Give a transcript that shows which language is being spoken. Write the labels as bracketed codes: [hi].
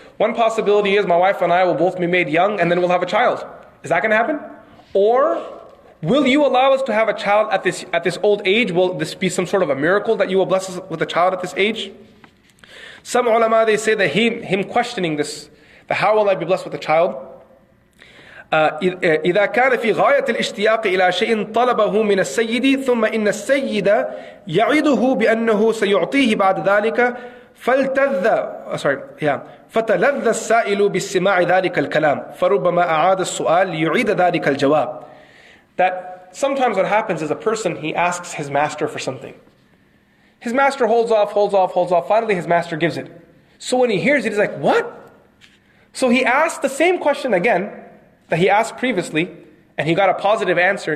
[en] One possibility is my wife and I will both be made young and then we'll have a child. Is that going to happen? Or will you allow us to have a child at this old age? Will this be some sort of a miracle that you will bless us with a child at this age? Some ulama, they say that him questioning this, that how will I be blessed with a child? [ar] إذا كان في غاية الاشتياق إلى شيء طلبه من السيد ثم إن السيد يعده بأنه سيعطيه بعد ذلك فلتذ فتلذ السائل بسماع ذلك الكلام فربما أعاد السؤال ليعيد ذلك الجواب. [en] That sometimes what happens is a person, he asks his master for something. His master holds off. Finally, his master gives it. So when he hears it, he's like, what? So he asked the same question again that he asked previously, and he got a positive answer.